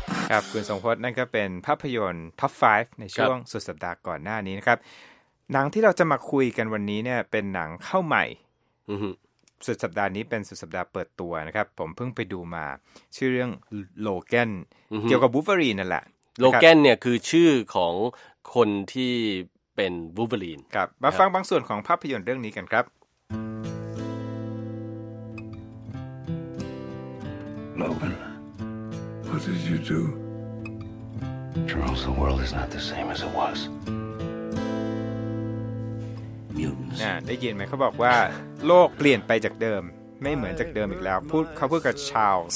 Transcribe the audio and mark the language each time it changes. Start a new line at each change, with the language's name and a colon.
Thai: ครับคุณสงพจน์นั่นก็เป็นภาพยนตร์ท็อป5ในช่วงสุดสัปดาห์ก่อนหน้านี้นะครับหนังที่เราจะมาคุยกันวันนี้เนี่ยเป็นหนังเข้าใหม่สุดสัปดาห์นี้เป็นสุดสัปดาห์เปิดตัวนะครับผมเพิ่งไปดูมาชื่อเรื่องโลแกนเกี่ยวกับวูล์ฟเวอรีนนั่นแหละ โลแกนเนี่ยคือชื่อของคนที่เป็นวูล์ฟเวอรีน ครับมาฟังบางส่วนของภาพยนตร์เรื่องนี้กันครับLogan
English: What did you do? Charles, the world is not the same as it was. Mutants.
Thai: ได้ยินไหมเขาบอกว่าโลกเปลี่ยนไปจากเดิมไม่เหมือนจากเดิมอีกแล้วพูดเขาพูดกับชาลส